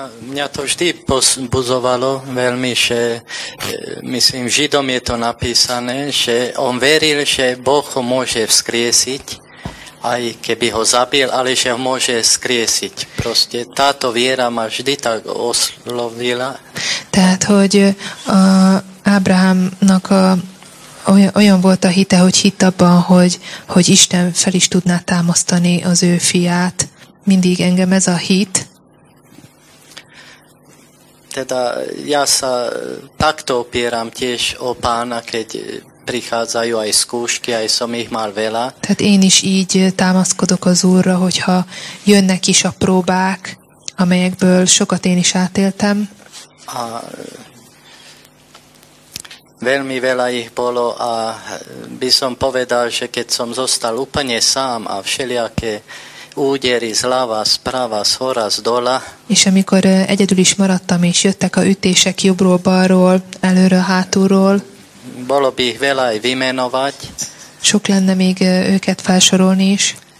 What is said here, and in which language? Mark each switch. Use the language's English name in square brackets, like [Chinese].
[Slovak] Mňa to vždy pozbudzovalo veľmi, že myslím, Židom je to napísané, že on veril, že Boh ho môže vzkriesiť, aj keby ho zabil, ale že ho môže vzkriesiť. Proste táto viera ma vždy tak oslovila. [Hungarian] Tehát, hogy Abrahamnak olyan volt a hite, hogy hitt abban, hogy Isten fel is tudná támasztani az ő fiát. Mindig engem ez a hit. [Slovak] Teda ja sa takto opieram tiež o Pána, keď prichádzajú aj skúšky, aj som ich mal veľa. [Hungarian] Tehát én is így támaszkodok az Úrra, hogyha jönnek is a próbák, amelyekből sokat én is átéltem. [Slovak] A veľmi veľa ich bolo a by som povedal, že keď som zostal úplne sám a všelijaké údery zľava, zprava, zhora, zdola. [Hungarian] És amikor egyedül is maradtam, és jöttek a ütések jobbról, balról, előről, hátulról. [Slovak] Bolo by ich veľa aj vymenovať. [Hungarian] Sok lenne még őket felsorolni is.